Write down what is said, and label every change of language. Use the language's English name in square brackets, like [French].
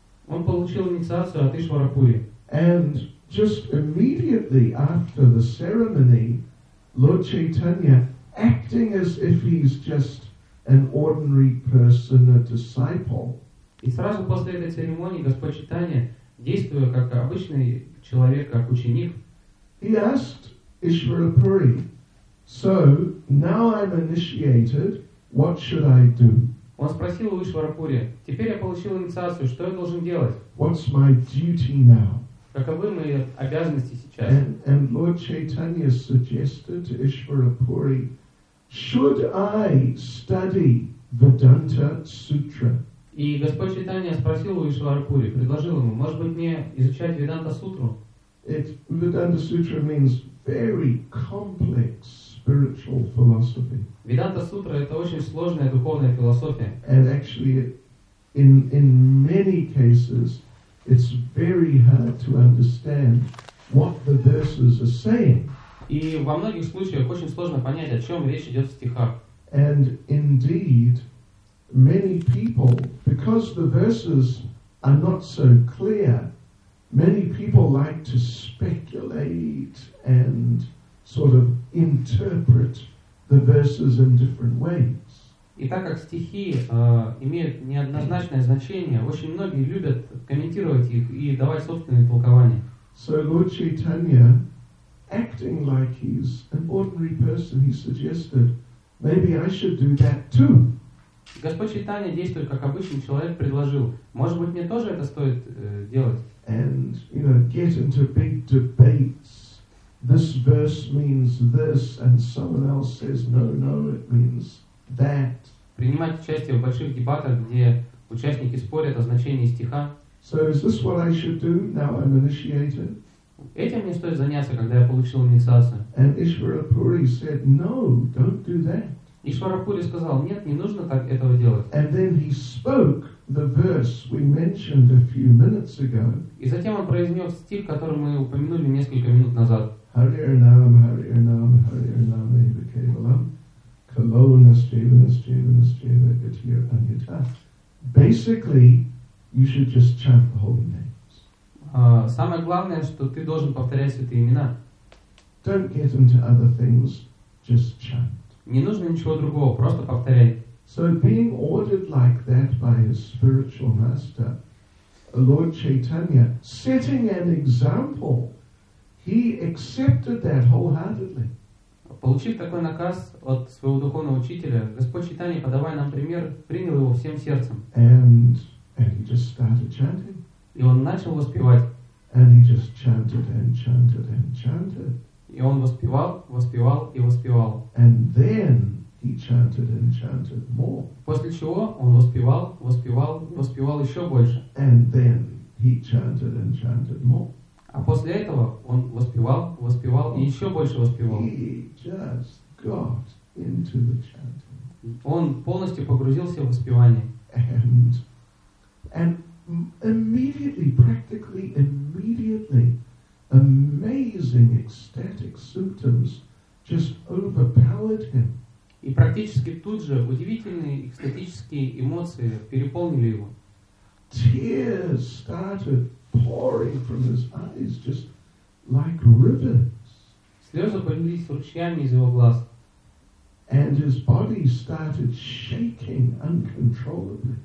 [Russian] Он получил инициацию от Ишвара Пури. [English] And just immediately after the ceremony, Lord Chaitanya, acting as if he's just an ordinary person, a disciple. [Russian] И сразу после этой церемонии Господь Чайтанья, действуя как обычный человек, как ученик, [English] he asked Ishwara Puri, "So now I'm initiated. What should I do?" [Russian] Он спросил у Ишвара Пури: "Теперь я получил инициацию, что я должен делать?" [English] "What's my duty now?" [Russian] Каковы мои обязанности сейчас? [English] And Lord Chaitanya suggested to Ishwara Puri, "Should I study Vedanta Sutra?" [Russian] И Господь Чайтанья спросил у Ишвара Пури, предложил ему: "Может быть, мне изучать Веданта Сутру?" [English] Vedanta Sutra means very complex spiritual philosophy. [Russian] Веданта Сутра — это очень сложная духовная философия. [English] And actually, in many cases, it's very hard to understand what the verses are saying. [Russian] И во многих случаях очень сложно понять, о чем речь идет в стихах. [English] And indeed, many people, because the verses are not so clear, many people like to speculate and sort of interpret the verses in different ways. [Russian] И так как стихи имеют неоднозначное значение, очень многие любят комментировать их и давать собственные толкования. [English] So Lord Chaitanya, acting like he's an ordinary person, he suggested, maybe I should do that too. [Russian] Господь Чайтанья, действуя как обычный человек, предложил: может быть, мне тоже это стоит делать? [English] And, you know, get into big debates. This verse means this, and someone else says, no, no, it means that. [Russian] Принимать участие в больших дебатах, где участники спорят о значении стиха. [English] So is this what I should do now I'm initiated? [Russian] Этим мне стоит заняться, когда я получил инициацию. [English] And Ishwara Puri said, no, don't do that. [Russian] Ишвара Пури сказал: нет, не нужно так этого делать. [English] And then he spoke the verse we mentioned a few minutes ago. [Russian] И затем он произнес стих, который мы упомянули несколько минут назад. [Sanskrit] Hariranam, Hariranam, Hariranam, Eva Kevalam, Kalonas, Jevanas, Jevanas, Jeva, Gatir, Anyata. [English] Basically, you should just chant the holy names. [Russian] Самое главное, что ты должен повторять святые имена. [English] Don't get into other things, just chant. [Russian] Не нужно ничего другого, просто повторяй. [English] So being ordered like that by his spiritual master, Lord Chaitanya, setting an example, he accepted that wholeheartedly. [Russian] Получив такой наказ от своего духовного учителя, Господь Чайтанья, подавая нам пример, принял его всем сердцем. [English] And he just started chanting. [Russian] И он начал воспевать. [English] And he just chanted and chanted and chanted. [Russian] И он воспевал, воспевал и воспевал. [English] And then he chanted and chanted more. [Russian] После чего он воспевал, воспевал, воспевал еще больше. [English] And then he chanted and chanted more. [Russian] А после этого он воспевал, воспевал и еще больше воспевал. [English] He just got into the chanting. [Russian] Он полностью погрузился в воспевание. [English] And immediately, practically immediately, amazing ecstatic symptoms just overpowered him. [Russian] И практически тут же удивительные экстатические эмоции переполнили его. [English] Tears started pouring from his eyes just like rivers. [Russian] Слезы полились ручьями из его глаз. [English] And his body started shaking uncontrollably.